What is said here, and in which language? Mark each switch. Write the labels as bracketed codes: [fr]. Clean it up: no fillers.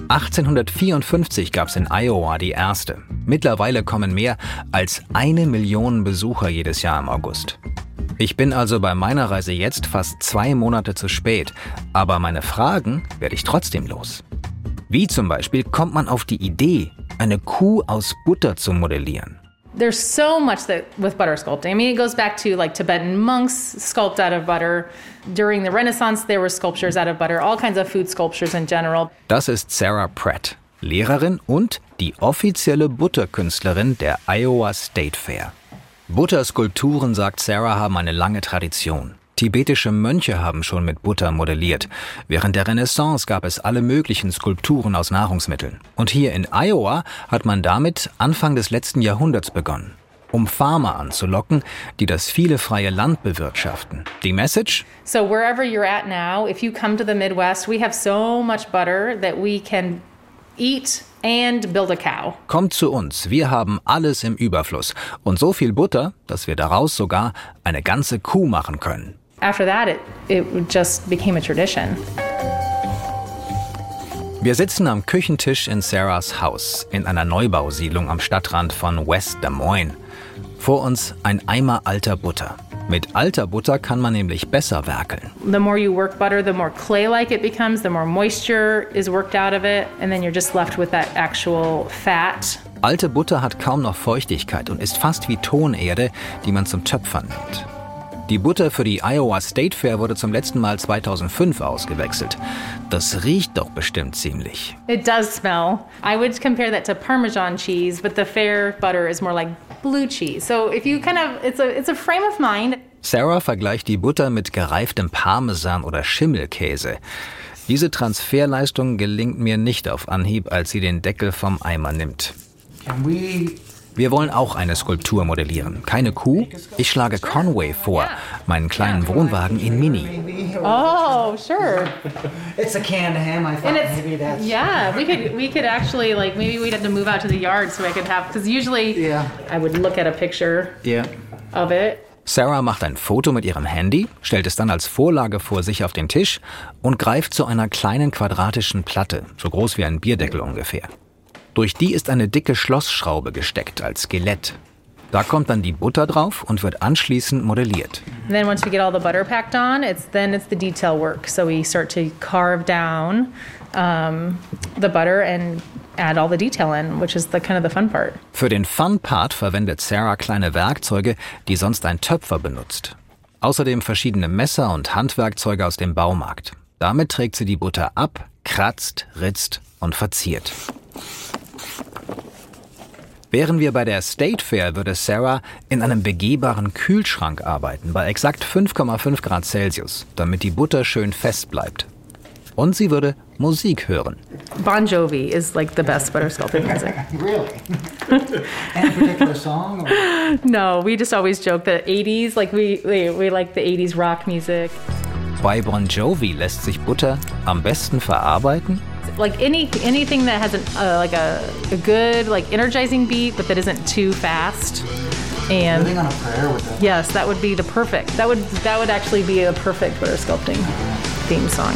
[de] 1854 gab es in Iowa die erste. Mittlerweile kommen mehr als 1 Million Besucher jedes Jahr im August. Ich bin also bei meiner Reise jetzt fast 2 Monate zu spät, aber meine Fragen werde ich trotzdem los. Wie zum Beispiel kommt man auf die Idee, eine Kuh aus Butter zu modellieren? [en] There's so much that with butter sculpting. I mean, it goes back to like Tibetan monks sculpt out of butter. During the Renaissance, there were sculptures out of butter, all kinds of food sculptures in general. [de] Das ist Sarah Pratt, Lehrerin und die offizielle Butterkünstlerin der Iowa State Fair. Butterskulpturen, sagt Sarah, haben eine lange Tradition. Tibetische Mönche haben schon mit Butter modelliert. Während der Renaissance gab es alle möglichen Skulpturen aus Nahrungsmitteln. Und hier in Iowa hat man damit Anfang des letzten Jahrhunderts begonnen, um Farmer anzulocken, die das viele freie Land bewirtschaften. Die Message? [en] So wherever you're at now, if you come to the Midwest, we have so much butter that we can eat and build a cow. [de] Kommt zu uns, wir haben alles im Überfluss und so viel Butter, dass wir daraus sogar eine ganze Kuh machen können. [en] After that, it just became a tradition. [de] Wir sitzen am Küchentisch in Sarahs Haus, in einer Neubausiedlung am Stadtrand von West Des Moines. Vor uns ein Eimer alter Butter. Mit alter Butter kann man nämlich besser werkeln. [en] The more you work butter, the more clay-like it becomes, the more moisture is worked out of it, and then you're just left with that actual fat. [de] Alte Butter hat kaum noch Feuchtigkeit und ist fast wie Tonerde, die man zum Töpfern nimmt. Die Butter für die Iowa State Fair wurde zum letzten Mal 2005 ausgewechselt. Das riecht doch bestimmt ziemlich. [en] It does smell. I would compare that to Parmesan cheese, but the fair butter is more like blue cheese. So if you kind of, it's a frame of mind. [de] Sarah vergleicht die Butter mit gereiftem Parmesan oder Schimmelkäse. Diese Transferleistung gelingt mir nicht auf Anhieb, als sie den Deckel vom Eimer nimmt. Wir wollen auch eine Skulptur modellieren. Keine Kuh? Ich schlage Conway vor, meinen kleinen Wohnwagen in Mini. [en] Oh, sure. It's a canned ham, I thought. Maybe that's... Yeah, we could actually, like, maybe we'd have to move out to the yard so I could have... Because usually I would look at a picture of it. [de] Sarah macht ein Foto mit ihrem Handy, stellt es dann als Vorlage vor sich auf den Tisch und greift zu einer kleinen quadratischen Platte, so groß wie ein Bierdeckel ungefähr. Durch die ist eine dicke Schlossschraube gesteckt als Skelett. Da kommt dann die Butter drauf und wird anschließend modelliert. [en] And then once we get all the butter packed on, it's the detail work. So we start to carve down the butter and add all the detail in, which is the kind of the fun part. [de] Für den Fun Part verwendet Sarah kleine Werkzeuge, die sonst ein Töpfer benutzt. Außerdem verschiedene Messer und Handwerkzeuge aus dem Baumarkt. Damit trägt sie die Butter ab, kratzt, ritzt und verziert. Wären wir bei der State Fair, würde Sarah in einem begehbaren Kühlschrank arbeiten, bei exakt 5,5 Grad Celsius, damit die Butter schön fest bleibt. Und sie würde Musik hören. [en] Bon Jovi is like the best butter sculpting music. Really? Any particular song? Or? No, we just always joke that 80s, like we like the 80s rock music. [de] Bei Bon Jovi lässt sich Butter am besten verarbeiten. [en] Like anything that has a good like energizing beat, but that isn't too fast. And Living on a Prayer with that. Yes, that would be the perfect. That would actually be a perfect butter sculpting theme song.